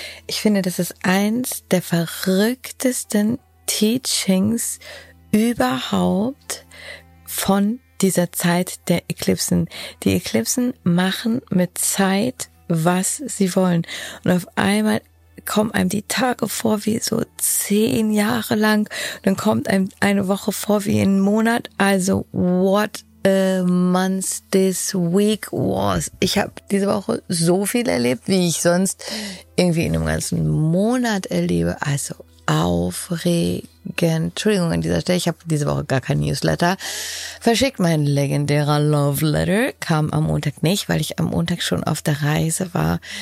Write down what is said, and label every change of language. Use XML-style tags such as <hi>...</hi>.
<de>Ich finde, das ist eins der verrücktesten Teachings überhaupt von dieser Zeit der Eklipsen. Die Eklipsen machen mit Zeit, was sie wollen. Und auf einmal kommen einem die Tage vor wie so 10 Jahre lang. Dann kommt einem eine Woche vor wie ein Monat. Also</de> <en>what a month this week was.</en> <de>Ich habe diese Woche so viel erlebt, wie ich sonst irgendwie in einem ganzen Monat erlebe. Also aufregend. Entschuldigung an dieser Stelle, ich habe diese Woche gar kein Newsletter verschickt. Mein legendärer Love Letter kam am Montag nicht, weil ich am Montag schon auf der Reise war.</de>